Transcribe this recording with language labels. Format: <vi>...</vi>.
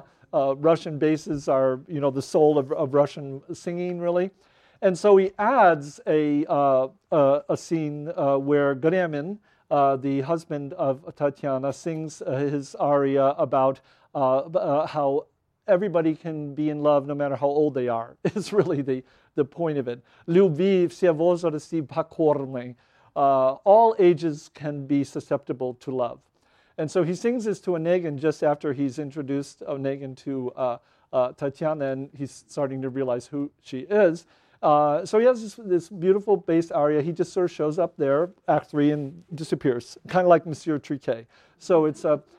<en>Russian basses are, you know, the soul of Russian singing, really. And so he adds a scene where Gremin, the husband of Tatiana, sings his aria about how everybody can be in love no matter how old they are. It's really the point of it.</en> <ru>Люби все возрасти покорны.</ru> <en>All ages can be susceptible to love. And so he sings this to Onegin just after he's introduced Onegin to Tatiana, and he's starting to realize who she is. So he has this beautiful bass aria. He just sort of shows up there, act three, and disappears, kind of like Monsieur Triquet. So it's a,</en>